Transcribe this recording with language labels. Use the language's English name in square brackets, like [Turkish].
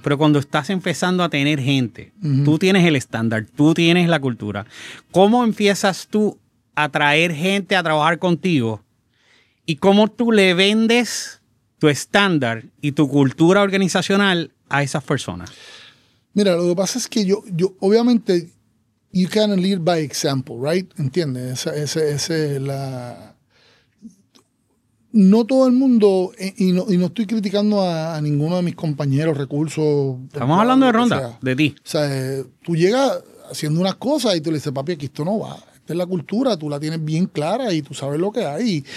[Spanish] Pero cuando estás empezando a tener gente, uh-huh. Tú tienes el estándar, tú tienes la cultura. ¿Cómo empiezas tú a traer gente a trabajar contigo? ¿Y cómo tú le vendes tu estándar y tu cultura organizacional a esas personas? Mira, lo que pasa es que yo obviamente... [English] You can lead by example, right? [Spanish] ¿Entiendes? Esa es la... No todo el mundo, y no estoy criticando a ninguno de mis compañeros, recursos... Estamos hablando de Ronda, de ti. O sea, tú llegas haciendo unas cosas y tú le dices, papi, aquí esto no va. Esta es la cultura, tú la tienes bien clara y tú sabes lo que hay.